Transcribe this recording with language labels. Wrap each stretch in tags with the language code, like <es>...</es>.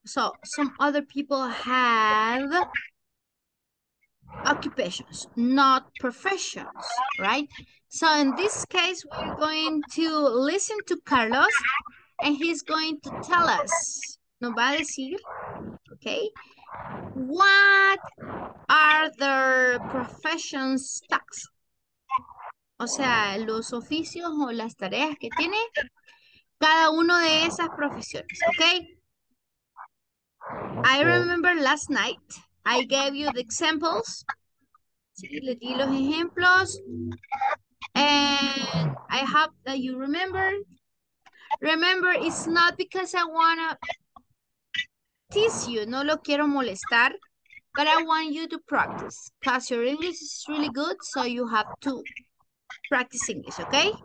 <en>So, some other people have occupations, not professions, right? So, in this case, we're going to listen to Carlos and he's going to tell us,</en> <es>nos va a decir,</es> <en>okay, what are their professions tasks?</en> <es>O sea, los oficios o las tareas que tiene cada una de esas profesiones, ¿ok?</es> <en>I remember last night, I gave you the examples.</en> <es>Sí, le di los ejemplos.</es> <en>And I hope that you remember. Remember, it's not because I wanna tease you,</en> <es>no lo quiero molestar,</es> <en>but I want you to practice, because your English is really good, so you have to practice English, ¿ok?</en>